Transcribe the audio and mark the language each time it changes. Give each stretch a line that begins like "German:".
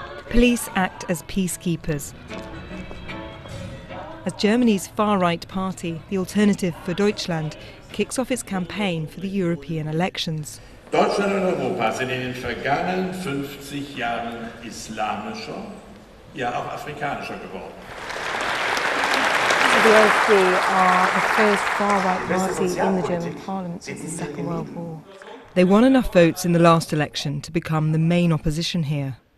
English: Police act as peacekeepers. As Germany's far-right party, the Alternative for Deutschland, kicks off its campaign for the European elections.
German: Deutschland und Europa sind in den vergangenen 50 Jahren islamischer, ja auch afrikanischer geworden.
English: The AfD are the first far-right party in the German Parliament since the Second World War. They won enough votes in the last election to become the main opposition here.